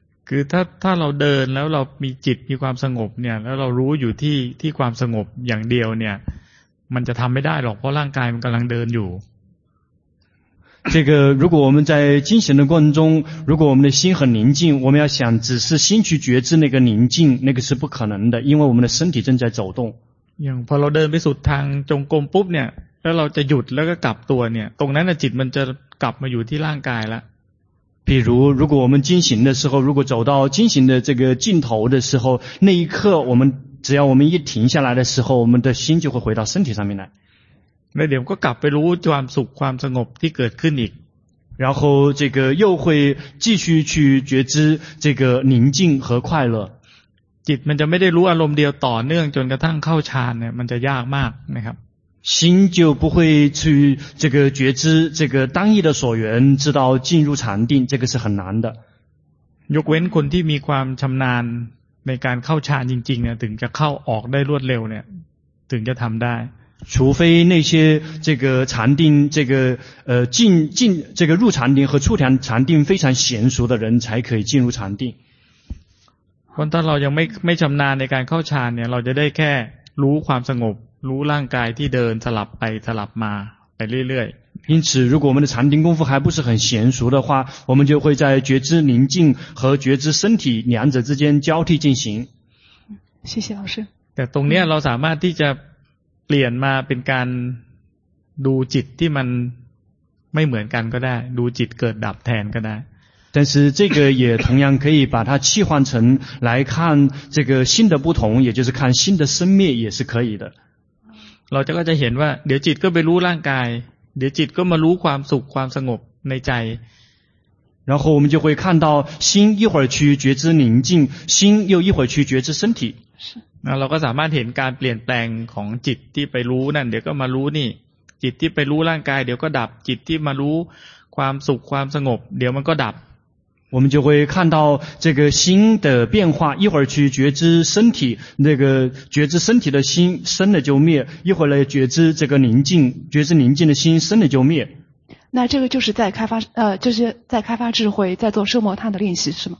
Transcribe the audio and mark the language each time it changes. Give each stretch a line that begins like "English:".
Thai: คือถ้าเราเดินแล้วเรามีจิตมีความสงบเนี่ยแล้วเรารู้อยู่ที่ความสงบอย่างเดียวเนี่ยมันจะทำไม่ได้หรอกเพราะร่างกายมันกำลังเดินอยู่
Chinese: 这个如果我们在进行的过程中如果我们的心很宁静我们要想只是心去觉知那个宁静那个是不可能的因为我们的身体正在走动
Thai: อย่างพอเราเดินไปสุดทางจงกรมปุ๊บเนี่ยแล้วเราจะหยุดแล้วก็กลับตัวเนี่ยตรงนั้นจิตมันจะกลับมาอยู่ที่ร่างกายละ
Chinese: 比如如果我们进行的时候如果走到进行的这个尽头的时候那一刻我们只要我们一停下来的时候我们的心就会回到身体上面来
Thai: 那เดี๋ยวก็กลับไปรู้ความสุขความสงบที่เกิดขึ้นอีก
Chinese: 然后这个又会继续去觉知这个宁静和快乐
Thai: จิตมันจะไม่ได้รู้อารมณ์เดียวต่อเนื่องจนกระทั่งเข้าฌานเนี่ยมันจะยากมากนะครับ
Chinese: 心就不会去这个觉知这个单一的所缘直到进入禅定这个是很难的
Thai: ยกเว้นคนที่มีความชำนาญในการเข้าฌานจริงๆเนี่ยถึงจะเข้าออกได้รวดเร็วเนี่ยถึงจะทำได้
Chinese: 除非那些这个禅定这个进这个入禅定和出禅定非常娴熟的人才可以进入禅定。但当我们没
Thai: ชำนาญในการเข้าฌานเนี่ยเราจะได้แค่รู้ความสงบรู้ร่างกายที่เดินสลับไปสลับมาไปเรื่อย
Chinese: ๆ因此如果我们的禅定功夫还不是很娴熟的话我们就会在觉知宁静和觉知身体两者之间交替进行。谢谢老师。
Thai: แต่ตรงนี้เราสามารถที่จะเปลี่ยนมาเป็นการดูจิตที่มันไม่เหมือนกันก็ได้ดูจิตเกิดดับแทนก็ได้
Chinese: 但是这个也同样可以把它替换成来看这个心的不同也就是看心的生灭也是可以的
Thai: เราจะก็จะเห็นว่าเดี๋ยวจิตก็ไปรู้ร่างกายเดี๋ยวจิตก็มารู้ความสุขความสงบในใจ
Chinese: 然后我们就会看到心一会儿去觉知宁静心又一会儿去觉知身体
Thai: เราก็สามารถเห็นการเปลี่ยนแปลงของจิตที่ไปรู้นั่นเดี๋ยวก็มารู้นี่จิตที่ไปรู้ร่างกายเดี๋ยวก็ดับจิตที่มารู้ความสุขความสงบเดี๋ยวมันก็ดับ
Chinese: 我们就会看到这个心的变化，一会儿去觉知身体，那个觉知身体的心生了就灭，一会儿来觉知这个宁静，觉知宁静的心生了就灭。那这个就是在开发就是在开发智慧，在做奢摩他的练习是吗？